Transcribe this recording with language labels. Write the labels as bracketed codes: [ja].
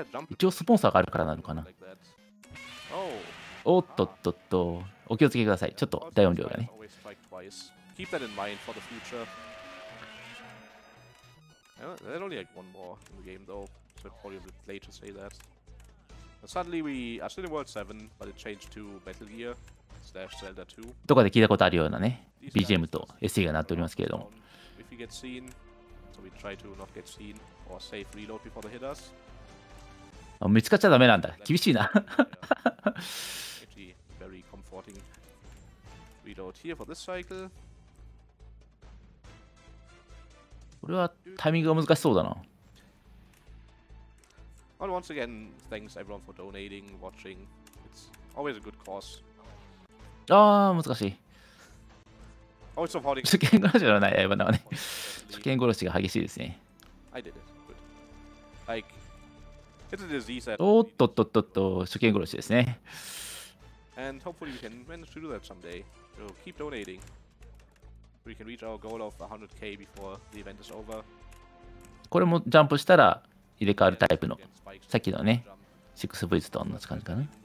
[ja] 一応スポンサーがあるからなのかな。おっとっとっと、お気をつけください。ちょっと大音量がね。 [en] There's only like one more in the game though, so it's probably a bit late to say that. But suddenly we are still in World 7, but it changed to Metal Gear slash Zelda 2. [ja] どこかで聞いたことあるようなね、BGM と SE が鳴っておりますけれども。 [en] If we get seen, so we try to not get seen or save reload before they hit us. [ja] 見つかっちゃダメなんだ、厳しいな。 [en] Actually, very comforting reload here for this cycle. [ja] これはタイミングが難しそうだな。 [en] Well, once again, thanks everyone for donating, watching. It's always a good cause. [ja] ああ、難しい。 [en] Always supporting. [ja] 初見殺しじゃない、今のはね。初見殺しが激しいですね。 [en] I did it. Good. Like, it's a disease that. [ja] おっとっとっとっと、初見殺しですね。 [en] And hopefully we can manage to do that someday. So keep donating. We can reach our goal of 100k before the event is over. [ja] これもジャンプしたら入れ替わるタイプの、さっきのね、6 V と同じ感じかな。